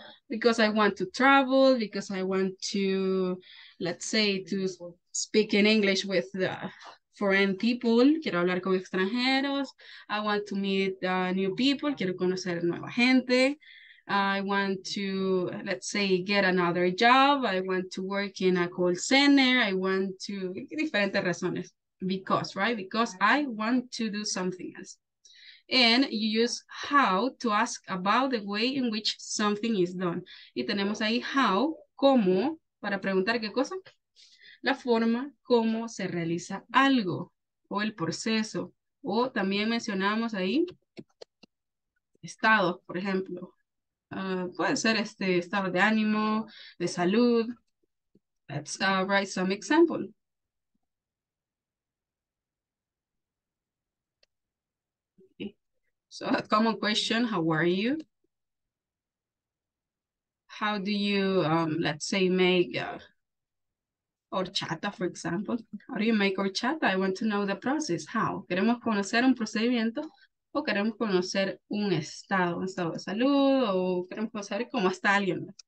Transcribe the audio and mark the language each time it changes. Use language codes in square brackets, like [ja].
[en] Because I want to travel, because I want to, let's say, to speak in English with the foreign people, [es] quiero hablar con extranjeros, [en] I want to meet new people, [es] quiero conocer nueva gente, [en] I want to, let's say, get another job, I want to work in a call center, I want to, [es] diferentes razones, [en] because, right, because I want to do something else. And you use how to ask about the way in which something is done. [es] Y tenemos ahí how, cómo, para preguntar qué cosa. La forma cómo se realiza algo o el proceso. O también mencionamos ahí estados, por ejemplo. Puede ser este estado de ánimo, de salud. [en] Let's write some example. So a common question, how are you? How do you, let's say, make horchata, for example? How do you make horchata? I want to know the process. How? [es] ¿Queremos conocer un procedimiento o queremos conocer un estado de salud o queremos conocer cómo está alguien?